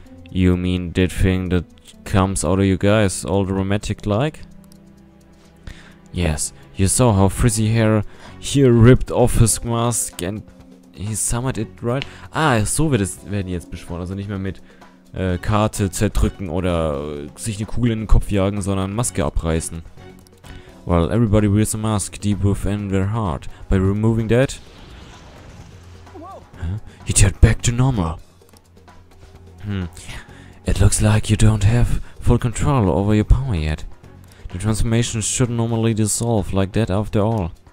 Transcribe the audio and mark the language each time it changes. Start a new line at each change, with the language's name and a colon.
English: You mean that thing that comes out of you guys, all dramatic-like? Yes, you saw how frizzy hair here ripped off his mask and he summoned it, right?
German: Ah, so wird es, werden die jetzt beschworen, also nicht mehr mit Karte zerdrücken oder sich eine Kugel in den Kopf jagen, sondern Maske abreißen.
English: Well, everybody wears a mask deep within their heart. By removing that, he turned back to normal. It looks like you don't have full control over your power yet. The transformation should normally dissolve like that after all.